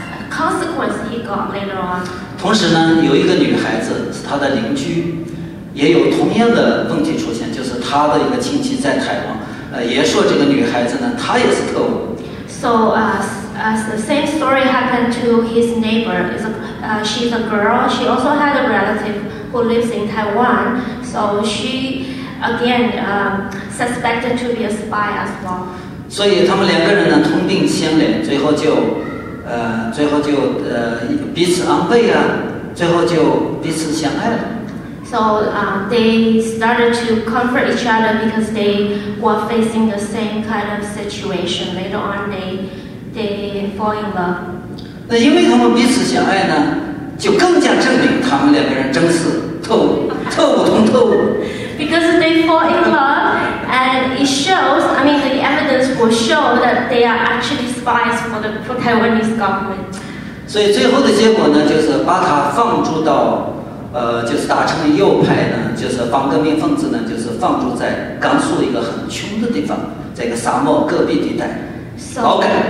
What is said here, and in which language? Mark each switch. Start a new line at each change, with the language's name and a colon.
English: consequence he got later on.
Chinese: 同时呢，有一个女孩子是他的邻居，也有同样的问题出现，就是他的一个亲戚在台湾，也说这个女孩子呢，她也是特务。
English: So, the same story happened to his neighbor. She's a girl. She also had a relative who lives in Taiwan. So she again suspected to be a spy as well.
Chinese: 所以他们两个人呢，同病相怜，最后就。最后就彼此安慰啊，最后就彼此相爱了。
English: So, they started to comfort each other because they were facing the same kind of situation. Later on, they fall in love.
Chinese: 那因为他们彼此相爱呢，就更加证明他们两个人真是特务同特务。
English: Because they fall in love, and it shows. I mean, the evidence will show that they are actually spies for Taiwanese government.
Chinese: 所以最后的结果呢，就是把他放逐到，就是打成右派呢，就是反革命分子呢，就是放逐在甘肃一个很穷的地方，在一个沙漠戈壁地带，劳改。